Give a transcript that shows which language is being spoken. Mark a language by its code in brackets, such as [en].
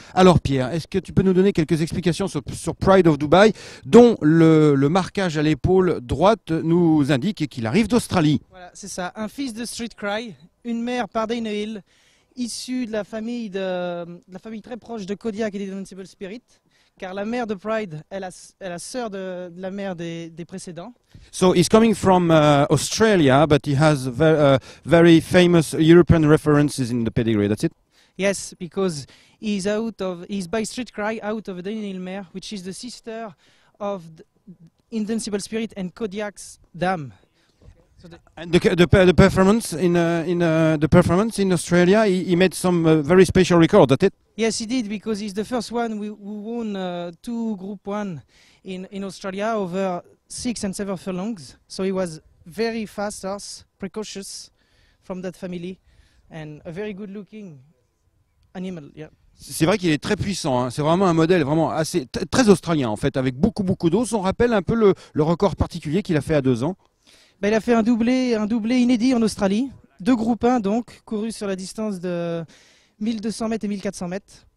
[fr] Alors Pierre, est-ce que tu peux nous donner quelques explications sur Pride of Dubai, dont le marquage à l'épaule droite nous indique qu'il arrive d'Australie? Voilà, c'est ça. Un fils de Street Cry, une mère Pardeine Hill, issue de la famille très proche de Kodiak et des Danceable Spirit. Car la mère de Pride est la sœur de la mère des précédents. [en] So he's coming from Australia, but he has very famous European references in the pedigree. That's it. Yes, because he's by Street Cry out of Pardeine Hill Mare, which is the sister of the Indomitable Spirit and Kodiak's dam. And the performance the performance in Australia, he made some very special record. That's it. Yes, he did, because he's the first one who won two Group One in Australia over 6 and 7 furlongs. So he was very fast horse, precocious from that family, and a very good looking animal. Yeah. [fr] C'est vrai qu'il est très puissant, hein. C'est vraiment un modèle vraiment assez très australien en fait, avec beaucoup beaucoup d'os. On rappelle un peu le record particulier qu'il a fait à 2 ans. Ben, il a fait un doublé inédit en Australie. Deux Group 1 donc, courus sur la distance de 1200 mètres et 1400 mètres.